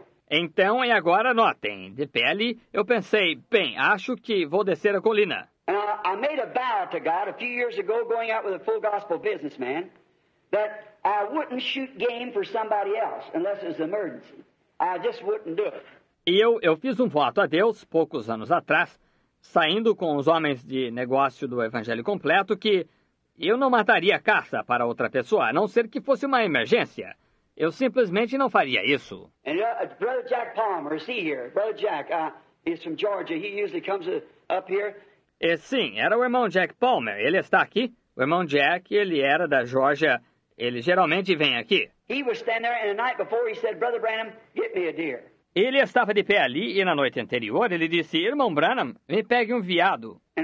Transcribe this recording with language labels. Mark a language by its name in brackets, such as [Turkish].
[Portuguese] Então, e agora, notem. De pé ali, eu pensei, bem, acho que vou descer a colina. [English] I made a vow to God a few years ago going out with a full gospel businessman that I wouldn't shoot game for somebody else unless it's an emergency. I just wouldn't do it. [Portuguese] Eu fiz um voto a Deus poucos anos atrás, saindo com os homens de negócio do Evangelho Completo, que eu não mataria caça para outra pessoa, a não ser que fosse uma emergência. Eu simplesmente não faria isso. [English] And Brother Jack Palmer, is he here? Brother Jack, he's from Georgia. He usually comes up here. [Portuguese] E sim, era o irmão Jack Palmer. Ele está aqui. O irmão Jack, ele era da Georgia. Ele geralmente vem aqui. [English] He was standing there, and the night before he said, Brother Branham, get me a deer. [Portuguese] Ele estava de pé ali e na noite anterior ele disse, Irmão Branham, me pegue um veado.